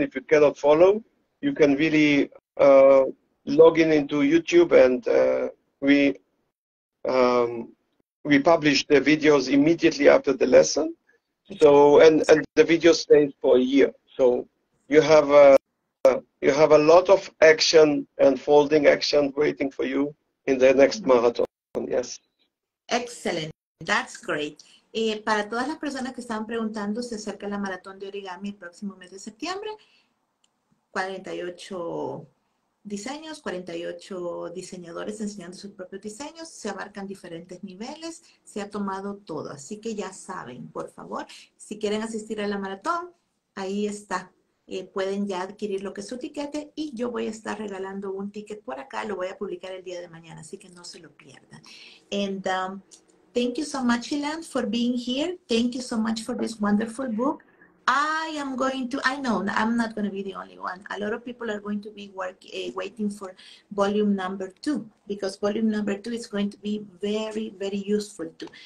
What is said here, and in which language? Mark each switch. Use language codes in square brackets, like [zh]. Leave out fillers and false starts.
[en] If you cannot follow, you can really log in into YouTube, and we publish the videos immediately after the lesson. So and the video stays for a year, so you have a lot of action, unfolding action waiting for you in the next marathon. Yes. Excellent. That's great. [es] Para todas las personas que están preguntando, se acerca la maratón de origami el próximo mes de septiembre. 48 diseños, 48 diseñadores enseñando sus propios diseños. Se abarcan diferentes niveles. Se ha tomado todo. Así que ya saben, por favor, si quieren asistir a la maratón, ahí está. Pueden ya adquirir lo que es su tiquete y yo voy a estar regalando un ticket por acá. Lo voy a publicar el día de mañana, así que no se lo pierdan. [en] And thank you so much, Ilan, for being here. Thank you so much for this wonderful book. I'm not going to be the only one. A lot of people are going to be waiting for volume number two, because volume number two is going to be very, very useful too.